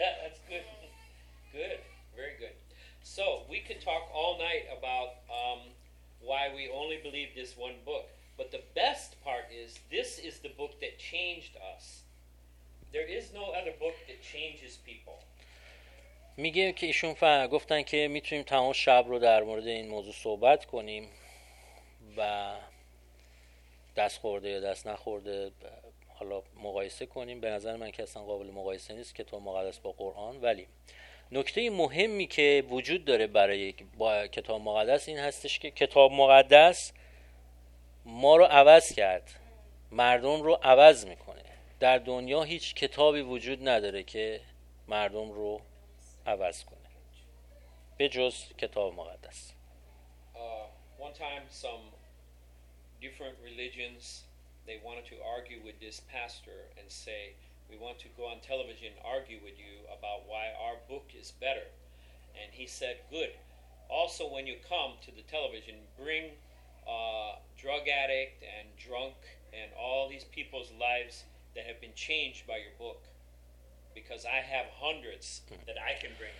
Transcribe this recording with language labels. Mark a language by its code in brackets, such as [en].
[en] Yeah, that's good. Good. Very good. So, we could talk all night about why we only believe this one book. But the best part is, this is the book that changed us. There is no other book that changes people. [fa] میگه که ایشون گفتن که میتونیم تمام شب رو در مورد این موضوع صحبت کنیم و دست خورده یا دست نخورده حالا مقایسه کنیم. به نظر من که اصلا قابل مقایسه نیست که تو مقدس با قرآن، ولی نکته مهمی که وجود داره برای کتاب مقدس این هستش که کتاب مقدس ما رو عوض کرد، مردم رو عوض میکنه. در دنیا هیچ کتابی وجود نداره که مردم رو عوض کنه به جز کتاب مقدس. [en] One time some different religions, they wanted to argue with this pastor and say, we want to go on television and argue with you about why our book is better. And he said, good. Also, when you come to the television, bring drug addict and drunk and all these people's lives that have been changed by your book, because I have hundreds that I can bring.